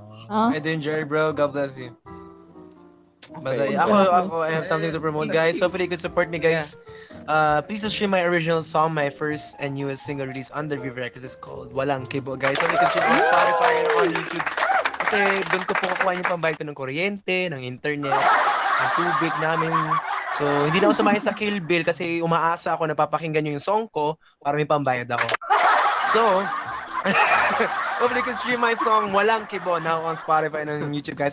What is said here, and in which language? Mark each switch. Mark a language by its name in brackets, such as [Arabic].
[English] And then Jerry bro, God bless you. But okay, I have something to promote, guys. Hopefully you could support me, guys. Yeah. Please stream my original song, my first and newest single release under Vivre Records. It's called Walang Kibo, guys. Hopefully you could stream on Spotify or on YouTube. [Filipino] Kasi doon ko po kukuha yung pambayad ko ng kuryente, ng internet, ng tubig namin. So, hindi na ako sumahin sa Kill Bill kasi umaasa ako na papakinggan nyo yung song ko para may pambayad ako. [English] So, hopefully you could stream my song Walang Kibo now on Spotify and on YouTube, guys.